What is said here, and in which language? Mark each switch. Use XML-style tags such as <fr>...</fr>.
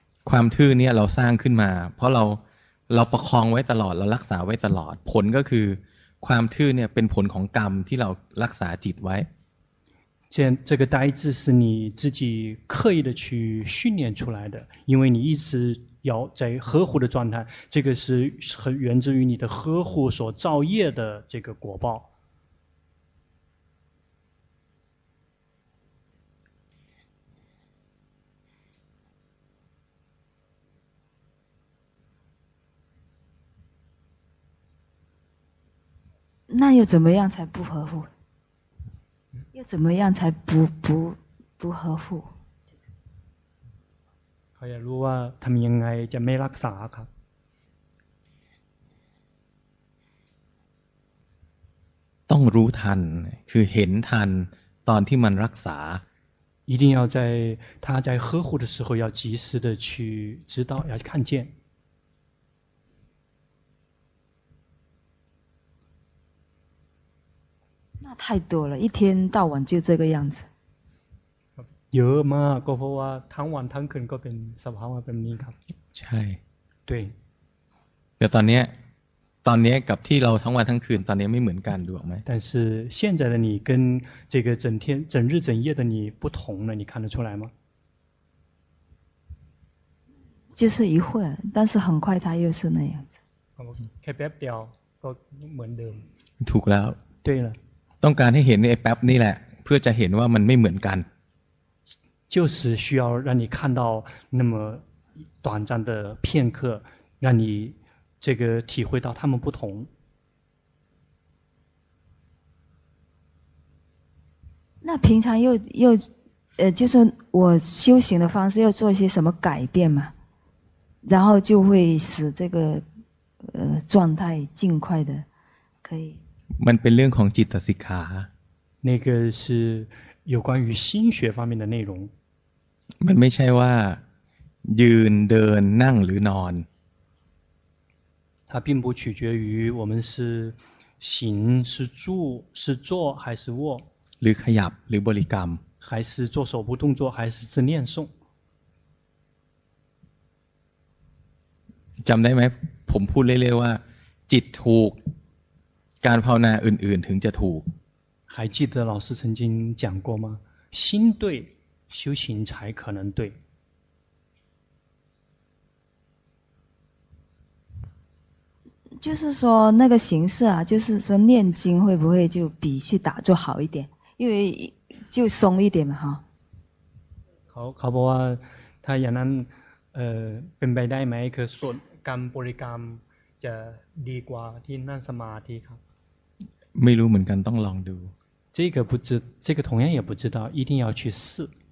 <th>ความทื่อเนี่ยเราสร้างขึ้นมาเพราะเราประคองไว้ตลอดเรารักษาไว้ตลอดผลก็คือความทื่อเนี่ยเป็นผลของกรรมที่เรารักษาจิตไว้</th> <zh>这个呆滞是你自己刻意的去训练出来的因为你一直要在呵护的状态这个是源自于你的呵护所造业的这个果报那又怎么样才不合乎？又怎么样才不合乎？</zh> <th>เขาอยากรู้ว่าทำยังไงจะไม่รักษาครับ ต้องรู้ทันคือเห็นทันตอนที่มันรักษา</th> <zh>一定要在他在呵护的时候要及时的去知道要看见太多了一天到晚就这个样子</zh> <th>เยอะมากก็เพราะว่าทั้งวันทั้งคืนก็เป็นสภาวะแบบนี้ครับ ใช่</th> <zh>对</zh> <th>แต่ตอนนี้กับที่เราทั้งวันทั้งคืนตอนนี้ไม่เหมือนกันดูออกมั้ย</th> <zh>但是现在的你跟这个整天整日整夜的你不同了你看得出来吗就是一会但是很快他又是那样子</zh> <th>แค่แป๊บเดียวก็เหมือนเดิม ถูกแล้ว</th> <zh>对了</zh> <th>ต้องการให้เห็นไอ้แป๊บนี่แหละเพื่อจะเห็นว่ามันไม่เหมือนกัน</th> <zh>就是需要让你看到那么短暂的片刻让你这个体会到他们不同那平常又就是我修行的方式要做一些什么改变嘛然后就会使这个状态尽快的可以</zh> <th>มันเป็นเรื่องของจิตสิกขา</th> <zh>那个是有关于心学方面的内容</zh> <th>มันไม่ใช่ว่ายืนเดินนั่งหรือนอน</th> <zh>它并不取决于我们是行是住是坐还是卧</zh> <th>หรือขยับหรือบริกรรม</th> <zh>还是做手部动作还是自念诵</zh> <th>จำได้ไหมผมพูดเรื่อยๆว่าจิตถูกการภาวนาอื่นๆถึงจะถูก</th> <zh>还记得老师曾经讲过吗心对修行才可能对就是说那个形式啊就是说念经会不会就比去打坐好一点因为就松一点嘛哈</zh> <th>เขาบอกว่าถ้าอย่างนั้นเป็นไปได้ไหมคือสวดกรรมบริกรรมจะดีกว่าที่นั่งสมาธิครับ ไม่รู้เหมือนกันต้องลองดู</th> <zh>这个不知这个同样也不知道一定要去试</zh>